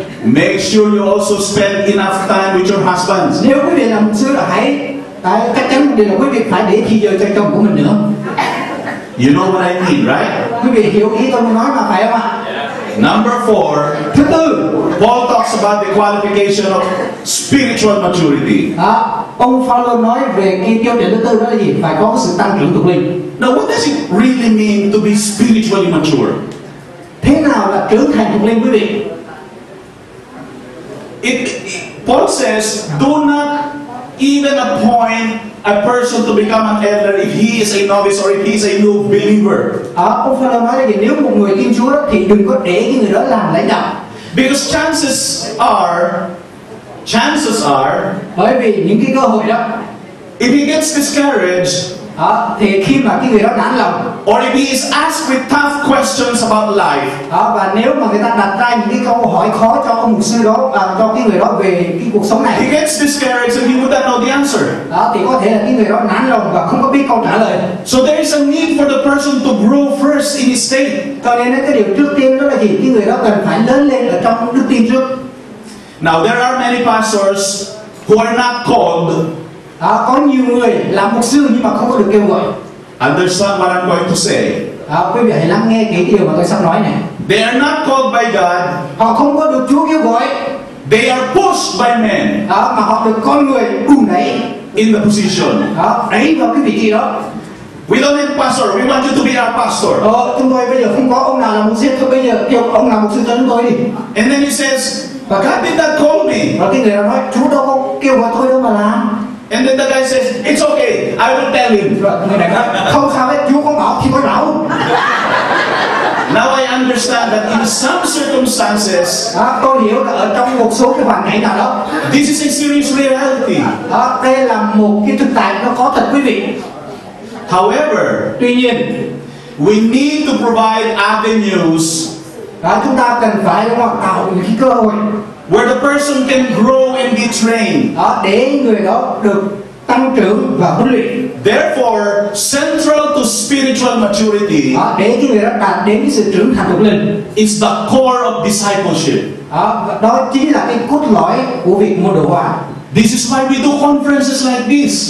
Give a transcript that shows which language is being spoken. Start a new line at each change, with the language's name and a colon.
English: Make sure you also spend enough time with your husbands.
Vietnamese: Nếu quý vị là mục sư là hãy chắc chắn một điều là quý vị phải để thì giờ cho chồng của mình nữa.
English: You know what I mean, right?
Vietnamese: Quý vị hiểu ý tôi nói mà phải không ạ?
English: Number four.
Vietnamese: Thứ tư.
English: Paul talks about the qualification of spiritual maturity.
Vietnamese: Ông Phao-lô nói về cái tiêu chuẩn thứ tư đó là gì? Phải có sự tăng trưởng thuộc linh.
English: Now what does it really mean to be spiritually mature?
Vietnamese: Thế nào là trưởng thành thuộc linh quý vị?
English: Paul says, do not even appoint a person to become an elder if he is a novice or if he is a new believer.
Vietnamese: Ông Phao-lô nói là gì? Nếu một người tin Chúa thì đừng có để cái người đó làm lãnh đạo.
English: Because chances are,
Vietnamese: bởi vì những cái cơ hội đó.
English: If he gets discouraged,
Vietnamese: à, thì khi mà cái người đó nản lòng,
English: or if he is asked with tough questions about life,
Vietnamese: à, và nếu mà người ta đặt ra những cái câu hỏi khó cho ông mục sư đó, à, cho cái người đó về cái cuộc sống này,
English: he gets discouraged and he would not know the answer.
Vietnamese: À, thì có thể là cái người đó nản lòng và không có biết câu trả lời.
English: So there is a need for the person to grow first in his faith.
Vietnamese: Cho nên cái điều trước tiên đó là gì? Cái người đó cần phải lớn lên ở trong đức tin trước.
English: Now there are many pastors who are not called.
Vietnamese: À, có nhiều người làm mục sư nhưng mà không có được kêu gọi.
English: Understand what I'm going to say.
Vietnamese: À, quý vị hãy lắng nghe cái điều mà tôi sắp nói này.
English: They are not called by God.
Vietnamese: Họ không có được Chúa kêu gọi.
English: They are pushed by men.
Vietnamese: À, mà họ được con người đun đẩy.
English: In the position.
Vietnamese: À, đẩy vào cái vị trí đó.
English: We don't need pastor. We want you to be our pastor.
Vietnamese: Ờ, chúng tôi bây giờ không có ông nào làm mục sư. Thôi bây giờ kêu ông làm mục sư cho chúng tôi đi.
English: And then he says,
Vietnamese: và
English: God did not call me.
Vietnamese: Và cái người đó nói, Chúa đâu có kêu gọi tôi đâu mà làm.
English: And then the guy says, "It's okay. I will tell him."
Vietnamese: Không sao hết, Chúa có bảo thì có bảo.
English: Now I understand that in some circumstances,
Vietnamese: à, tôi hiểu là ở trong một số cái hoàn cảnh nào đó,
English: this is a serious reality.
Vietnamese: À, đây là một cái thực tại nó có thật, quý vị.
English: However,
Vietnamese: tuy nhiên,
English: we need to provide avenues.
Vietnamese: À, chúng ta cần phải đúng không? Tạo những cái cơ hội.
English: Where the person can grow and be trained.
Vietnamese: Đó, để người đó được tăng trưởng và huấn luyện.
English: Therefore, central to spiritual maturity.
Vietnamese: Đó, để người đó đạt đến sự trưởng thành thuộc linh.
English: Is the core of discipleship.
Vietnamese: Đó chính là cái cốt lõi của việc môn đồ hóa.
English: This is why we do conferences like this.